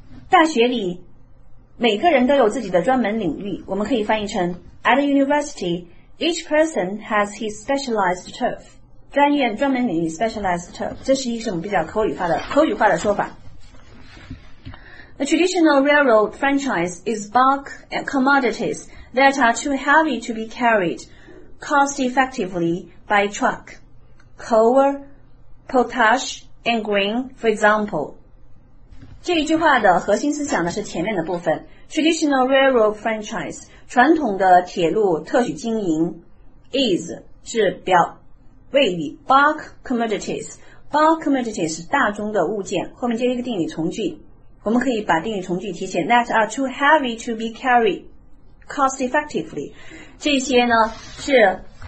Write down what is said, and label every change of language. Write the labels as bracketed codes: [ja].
[zh] 大学里每个人都有自己的专门领域，我们可以翻译成 [en] at university。 Each person has his specialized turf. [zh] 专业专门领域 [en] specialized turf. [zh] 这是一种比较口语化的说法。 [en] The traditional railroad franchise is bulk commodities that are too heavy to be carried cost effectively by truck. Coal, potash, and grain, for example. [zh] 这一句话的核心思想呢是前面的部分。 [en] Traditional railroad franchise, [zh] 传统的铁路特许经营 is, 是表谓语 [en] bulk commodities, bulk commodities [zh] 是大宗的物件，后面接一个定语从句，我们可以把定语从句提前 [en] that are too heavy to be carried cost effectively, [zh] 这些呢是